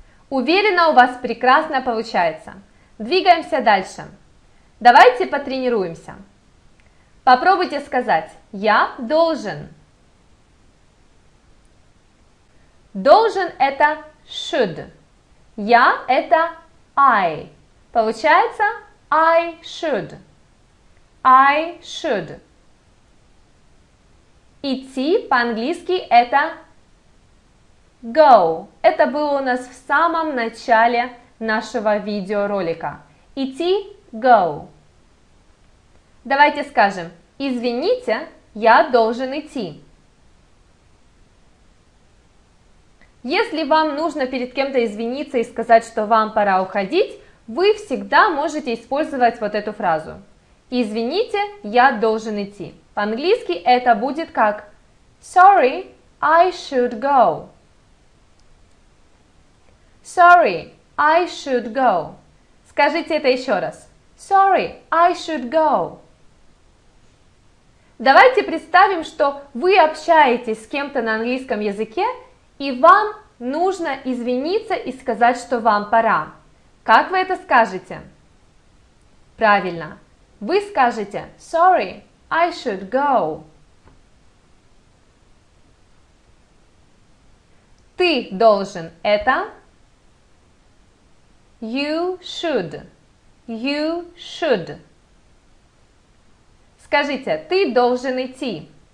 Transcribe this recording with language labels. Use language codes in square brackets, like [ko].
[ru] Уверена, у вас прекрасно получается. Двигаемся дальше. Давайте потренируемся. Попробуйте сказать, я должен. Должен – это should. Я – это I. Получается, [en] I should. I should. [ru] Идти по-английски – это go. Это было у нас в самом начале нашего видеоролика. Идти – go. Давайте скажем, извините, я должен идти. Если вам нужно перед кем-то извиниться и сказать, что вам пора уходить, вы всегда можете использовать вот эту фразу. Извините, я должен идти. По-английски это будет как [en] Sorry, I should go. Sorry, I should go. [ru] Скажите это еще раз. [en] Sorry, I should go. [ru] Давайте представим, что вы общаетесь с кем-то на английском языке, и вам нужно извиниться и сказать, что вам пора. Как вы это скажете? Правильно. Вы скажете [en] «Sorry, I should go». [ru] Ты должен – это [en] «You should». «You should». [ru] Скажите «Ты должен идти».